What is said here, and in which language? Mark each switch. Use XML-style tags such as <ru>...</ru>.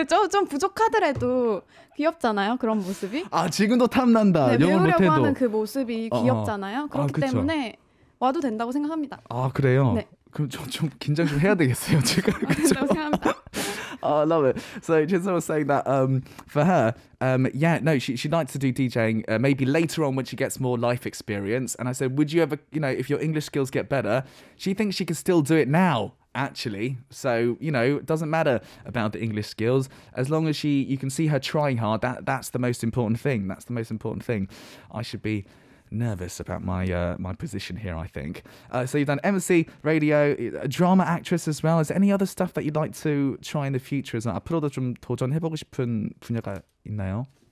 <ko>좀 부족하더라도 귀엽잖아요, 그런 모습이. 아, 지금도 탐난다. 네, 영어 못해도. 배우려고 하는 그 모습이 귀엽잖아요. 그렇기 때문에 와도 된다고 생각합니다. 아, 그래요? 네. 그럼 좀 긴장 좀 해야 되겠어요, 제가. 그렇죠? 된다고 생각합니다.</ko> <en>I love it. So Jinsol was saying that for her, yeah, no, she'd like to do DJing maybe later on when she gets more life experience. And I said, would you ever, you know, if your English skills get better, she thinks she can still do it now actually. So, you know, it doesn't matter about the English skills. As long as she, you can see her trying hard, that's the most important thing. That's the most important thing. I should be nervous about my position here, I think. So you've done MC, radio, drama actress as well. Is there any other stuff that you'd like to try in the future?</en> <ko>앞으로도 좀 도전해보고 싶은 분야가 있나요?</ko>